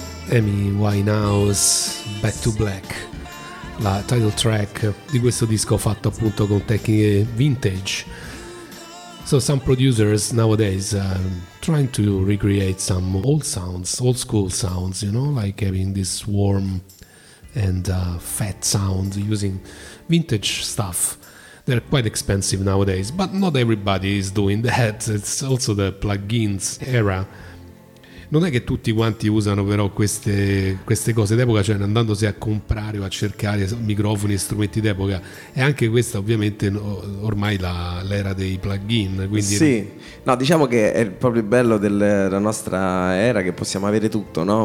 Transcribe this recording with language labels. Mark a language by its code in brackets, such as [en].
[it] Amy Winehouse, Back to Black, la title track di questo disco fatto appunto con tecniche vintage. [en] So some producers nowadays are trying to recreate some old sounds, old school sounds, you know, like having this warm and fat sound using vintage stuff. They're quite expensive nowadays, but not everybody is doing that. It's also the plugins era. [it] Non è che tutti quanti usano però queste cose d'epoca, cioè andandosi a comprare o a cercare microfoni e strumenti d'epoca, e anche questa ovviamente ormai l'era dei plugin. Quindi sì, no, diciamo che è proprio il bello della nostra era, che possiamo avere tutto, no?